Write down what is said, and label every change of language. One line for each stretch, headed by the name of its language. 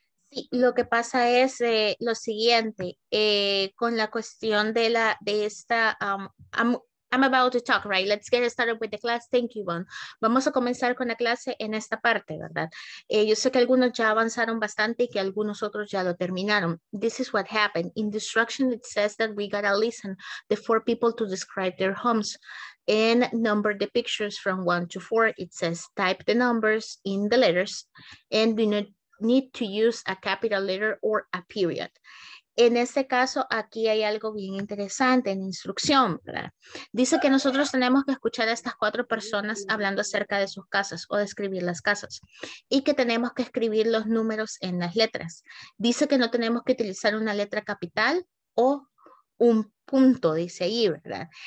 Spanish: Sí, lo que pasa es lo siguiente, con la cuestión de la de esta,
English: I'm about to talk, right? Let's get started with the class. Thank you, Bon.
Spanish: Vamos a comenzar con la clase en esta parte, ¿verdad? Yo sé que algunos ya avanzaron bastante y que algunos otros ya lo terminaron.
English: This is what happened. In the instruction, it says that we gotta listen the four people to describe their homes and number the pictures from 1 to 4. It says type the numbers in the letters and we need to use a capital letter or a period.
Spanish: En este caso, aquí hay algo bien interesante en instrucción, ¿verdad? Dice que nosotros tenemos que escuchar a estas cuatro personas hablando acerca de sus casas o describir las casas y que tenemos que escribir los números en las letras. Dice que no tenemos que utilizar una letra capital o un punto, dice ahí, ¿verdad?